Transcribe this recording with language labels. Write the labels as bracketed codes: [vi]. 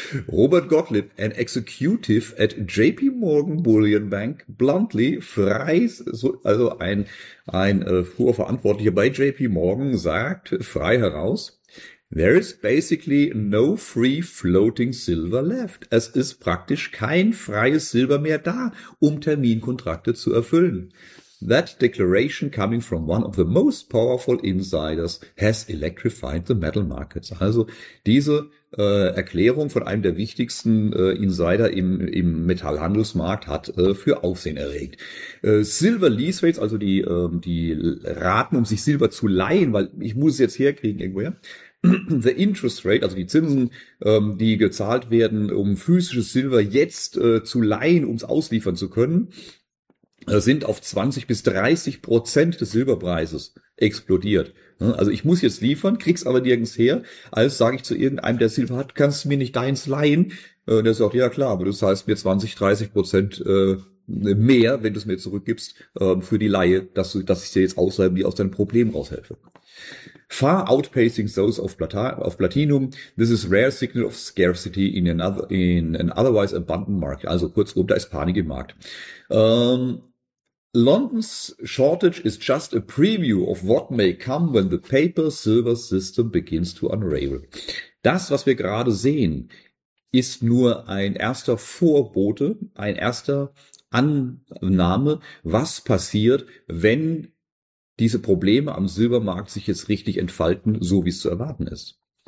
[en] Robert Gottlieb, an executive at JP Morgan Bullion Bank, bluntly, [de] also ein hoher Verantwortlicher bei JP Morgan, sagt frei heraus: [en] There is basically no free floating silver left. [de] Es ist praktisch kein freies Silber mehr da, um Terminkontrakte zu erfüllen. [en] That declaration coming from one of the most powerful insiders has electrified the metal markets. [de] Also diese Erklärung von einem der wichtigsten Insider im Metallhandelsmarkt hat für Aufsehen erregt. [en] Silver Lease Rates, [de] also die Raten, um sich Silber zu leihen, weil ich muss es jetzt herkriegen irgendwoher. [en] The Interest Rate, [de] also die Zinsen, die gezahlt werden, um physisches Silber jetzt zu leihen, um es ausliefern zu können, sind auf 20 bis 30% des Silberpreises explodiert. Also ich muss jetzt liefern, krieg's aber nirgends her. Also sage ich zu irgendeinem, der Silber hat, kannst du mir nicht deins leihen? Und er sagt, ja klar, aber du zahlst mir 20, 30% mehr, wenn du es mir zurückgibst, für die Leihe, dass ich dir jetzt ausleihe, wie aus deinem Problem raushelfe. [en] Far outpacing those of Platinum, this is rare signal of scarcity in an otherwise abundant market. [de] Also kurzum, da ist Panik im Markt. [en] London's shortage is just a preview of what may come when the paper silver system begins to unravel. [de] Das, was wir gerade sehen, ist nur ein erster Vorbote, ein erster Annahme, was passiert, wenn diese Probleme am Silbermarkt sich jetzt richtig entfalten, so wie es zu erwarten ist.